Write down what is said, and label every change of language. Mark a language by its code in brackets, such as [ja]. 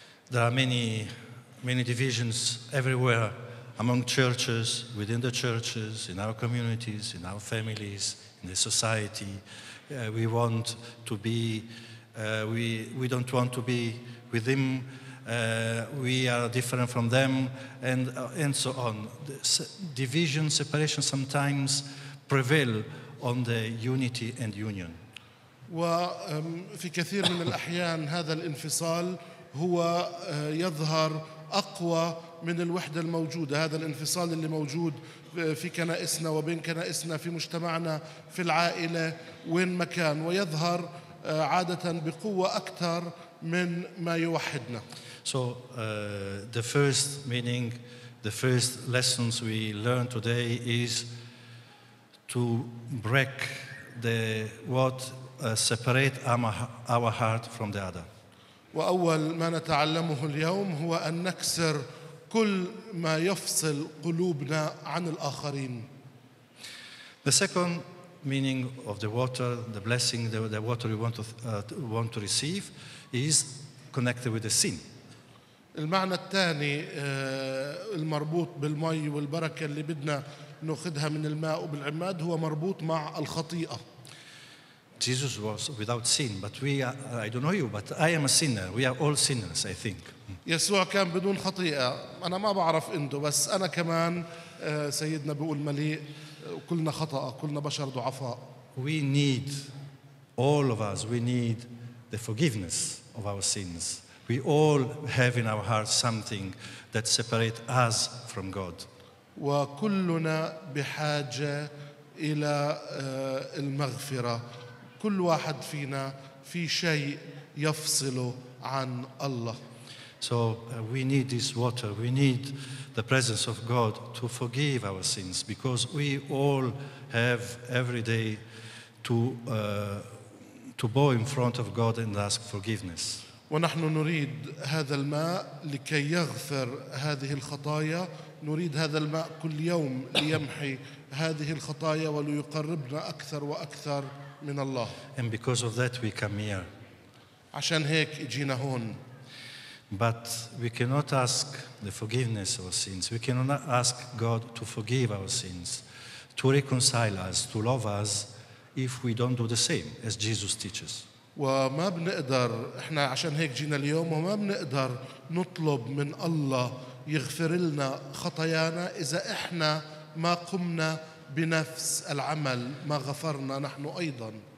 [en] There are many divisions everywhere among churches, within the churches, in our communities, in our families, in the society. We want to be we don't want to be with him. We are different from them, and so on. Division, separation sometimes prevail on the unity and union. [ar] وفي كثير من الأحيان هذا الانفصال هو يظهر أقوى من الوحدة الموجودة، هذا الانفصال اللي موجود في كنائسنا وبين كنائسنا في مجتمعنا في العائلة وين مكان، ويظهر عادة بقوة أكثر من ما يوحدنا. [en] So the first meaning, the first lessons we learn today is to break the what separate our heart from the other. [ar] وأول ما نتعلمه اليوم هو أن نكسر كل ما يفصل قلوبنا عن الآخرين. [en] The second meaning of the water, the blessing, the water you want to receive, is connected with the sin. [ar] المعنى الثاني المربوط بالماء والبركة اللي بدنا نأخذها من الماء وبالعماد هو مربوط مع الخطيئة. [en] Jesus was without sin, but we are, I don't know you, but I am a sinner. We are all sinners, I think. [ar] يسوع كان بدون خطيئة. أنا ما بعرف أنتو، بس أنا كمان سيدنا بيقول مليء، كلنا خطأ، كلنا بشر ضعفاء. [en] We need, all of us, we need the forgiveness of our sins. We all have in our hearts something that separates us from God. [ar] وكلنا بحاجة إلى المغفرة. كل واحد فينا في شيء يفصله عن الله. [en] So we need this water, we need the presence of God to forgive our sins, because we all have every day to bow in front of God and ask forgiveness. [ar] ونحن نريد هذا الماء لكي يغفر هذه الخطايا، نريد هذا الماء كل يوم ليمحي هذه الخطايا وليقربنا أكثر وأكثر من الله. [en] And because of that we come here. [ar] عشان هيك جينا هون. [en] But we cannot ask the forgiveness of our sins. We cannot ask God to forgive our sins, to reconcile us, to love us, if we don't do the same as Jesus teaches. [ar] وما بنقدر احنا عشان هيك جينا اليوم، وما بنقدر نطلب من الله يغفر لنا خطايانا اذا احنا ما قمنا بنفس العمل، ما غفرنا نحن ايضا.